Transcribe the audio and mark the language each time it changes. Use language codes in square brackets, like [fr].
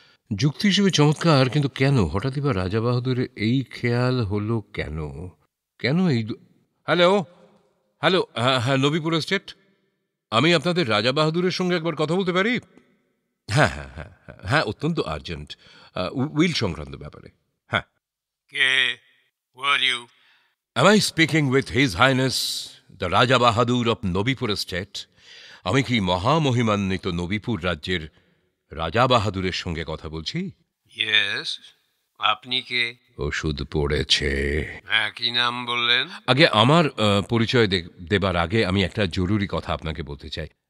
[bn] যুক্তি হিসেবে চমৎকার, কিন্তু কেন হঠাৎই বা রাজা বাহাদুরের এই খেয়াল হলো কেন? কেন এই? হ্যালো হ্যালো, হ্যাঁ নবীপুর স্টেট, আমি আপনাদের রাজা বাহাদুরের সঙ্গে একবার কথা বলতে পারি? হ্যাঁ হ্যাঁ হ্যাঁ হ্যাঁ, অত্যন্ত আর্জেন্ট, উইল সংক্রান্ত ব্যাপারে। হ্যাঁ, কে? [en] Am I speaking with His Highness the Raja Bahadur of Nobipur State? [bn] আমি কি মহামহিমান্বিত নবীপুর রাজ্যের রাজা বাহাদুরের সঙ্গে কথা বলছি? [en] Yes. [bn] আপনি কে? ওষুধ পড়েছে। কি নাম বললেন? আগে আমার পরিচয় দেবার আগে আমি একটা জরুরি কথা আপনাকে বলতে চাই।